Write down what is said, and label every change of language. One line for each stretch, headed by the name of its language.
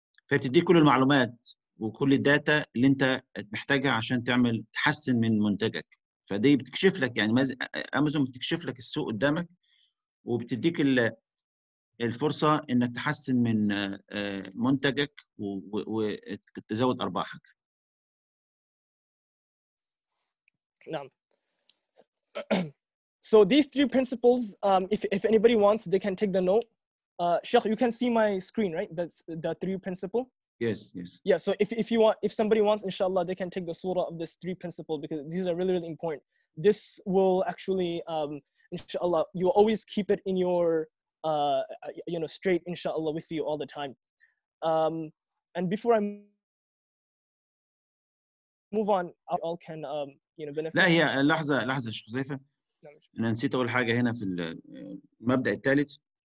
Arabic: فبتديك كل المعلومات وكل الداتا اللي انت محتاجها عشان تعمل تحسن من منتجك فدي بتكشف لك يعني امازون بتكشف لك السوق قدامك وبتديك الفرصه انك تحسن من منتجك وتزود ارباحك
English: نعم So these three principles if anybody wants they can take the note Sheikh, you can see my screen, right? That's the three principle. Yes, yes. Yeah, so if you want, if somebody wants, inshallah, they can take the surah of this three principle because these are really, really important. This will actually, inshallah, you will always keep it in your, you know, straight, inshallah, with you all the time. And before I move on, you all can, you know, benefit.
Arabic: لا هي لحظة لحظة شيخ زيفة. أنا نسيت أول حاجة هنا في المبدأ الثالث.